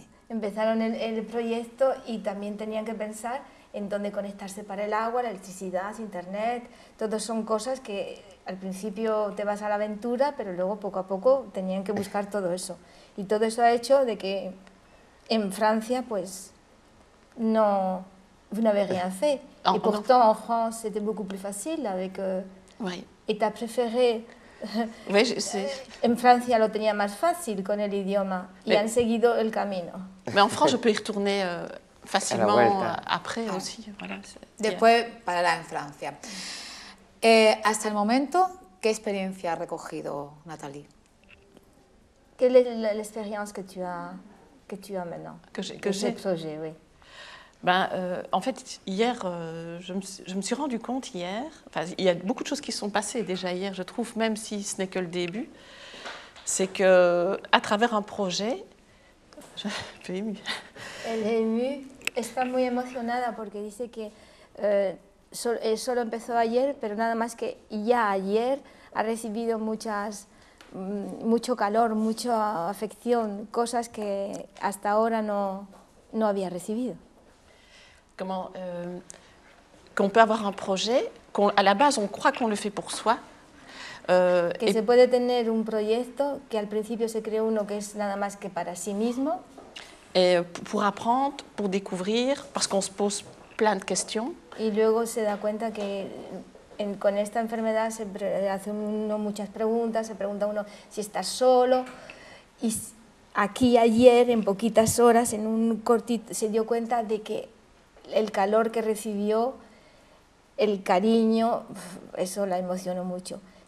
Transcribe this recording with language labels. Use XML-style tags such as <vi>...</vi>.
<es>Empezaron el proyecto y también tenían que pensar en dónde conectarse para el agua, la electricidad, internet, todo son cosas que al principio te vas a la aventura, pero luego poco a poco tenían que buscar todo eso. Y todo eso ha hecho de que en Francia, pues, no,</es> <fr>vous n'avez rien fait. Et pourtant, en France, c'était beaucoup plus facile avec... Oui. Et tu as préféré Oui, je sais.</fr> <es>En Francia lo tenía más fácil con el idioma y han seguido el camino.</es> <fr>Mais en France, je peux y retourner facilement après aussi. Voilà,</fr> <es>después parará en Francia. Hasta el momento, ¿qué experiencia ha recogido Nathalie?</es> <fr>Quelle est l'expérience que tu as maintenant? Que j'ai ce projet, oui. Ben, en fait, hier, je me suis rendu compte hier, il y a beaucoup de choses qui sont passées déjà hier, je trouve, même si ce n'est que le début, c'est qu'à travers un projet, je suis émue. Elle est émue, elle est très émotionnée parce qu'elle dit que ça a commencé hier, mais</fr> <es>nada más que ya</es> <fr>hier, a reçu beaucoup.</fr> <es>Mucho calor, mucha afección, cosas que hasta ahora no había recibido.</es> <fr>Comment, qu'on peut avoir un projet, qu'on, à la base on croit qu'on le fait pour soi.</fr> <es>Que se puede tener un proyecto que al principio se cree uno que es nada más que para sí mismo.</es> <fr>Et pour apprendre, pour découvrir, parce qu'on se pose plein de questions.</fr> <es>Y luego se da cuenta que con esta enfermedad se hace uno muchas preguntas, se pregunta uno si está solo. Y aquí ayer, en poquitas horas, en un cortito, se dio cuenta de que el calor que recibió, el cariño, eso la emocionó mucho.</es>